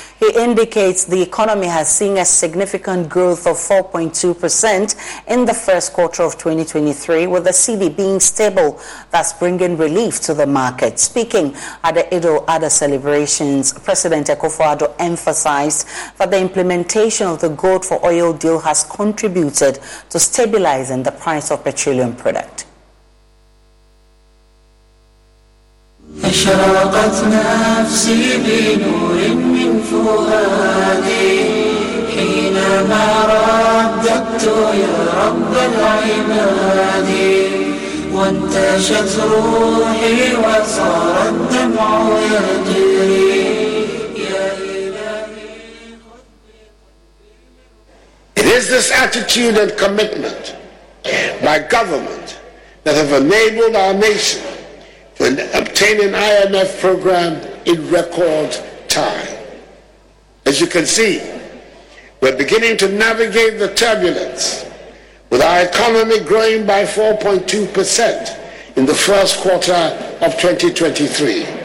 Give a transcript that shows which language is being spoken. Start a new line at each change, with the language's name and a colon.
English: He indicates the economy has seen a significant growth of 4.2% in the first quarter of 2023, with the CB being stable, thus bringing relief to the market. Speaking at the Ido Ada celebrations, President Akufo-Addo emphasized that the implementation of the gold for oil deal has contributed to stabilizing the price of petroleum product.
Arabic: اشرقت نفسي بنور من فؤادي حينما رددت يا رب العباد وانتشت روحي وصار الدمع يجري.
English: It is this attitude and commitment by government that have enabled our nation and obtain an IMF program in record time. As you can see, we're beginning to navigate the turbulence with our economy growing by 4.2% in the first quarter of 2023.